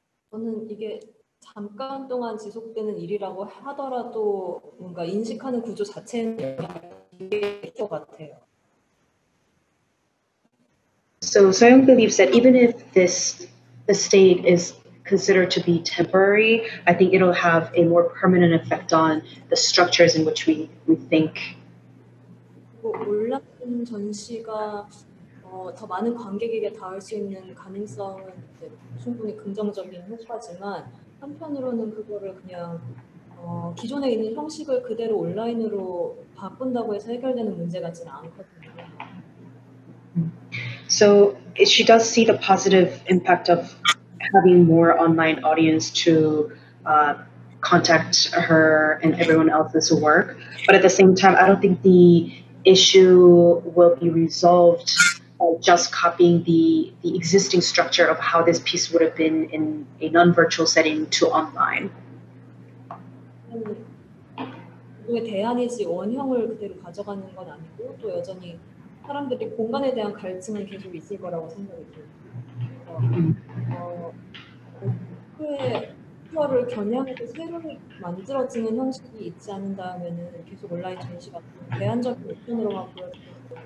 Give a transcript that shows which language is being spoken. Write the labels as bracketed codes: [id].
[ko] 저는 이게 잠깐 동안 지속되는 일이라고 하더라도 뭔가 인식하는 구조 자체는 이게 것 같아요. [en] So Seo Young believes that even if the state is considered to be temporary, I think it'll have a more permanent effect on the structures in which we think. [ko] 온라인 전시가 더 많은 관객에게 닿을 수 있는 가능성은 충분히 긍정적인 효과지만 한편으로는 그거를 그냥 기존에 있는 형식을 그대로 온라인으로 바꾼다고 해서 해결되는 문제 같지는 않거든요. [en] So she does see the positive impact of having more online audience to contact her and everyone else's work. But at the same time, I don't think the issue will be resolved by just copying the existing structure of how this piece would have been in a non-virtual setting to online. [ko] 대안이지 원형을 그대로 가져가는 건 아니고 또 여전히 사람들이 공간에 대한 갈증은 계속 있을 거라고 생각이 들어요. 그거를 겨냥해서 새로 만들어지는 형식이 있지 않는다면은 계속 온라인 전시가 대안적인 옵션으로만 보여집니다.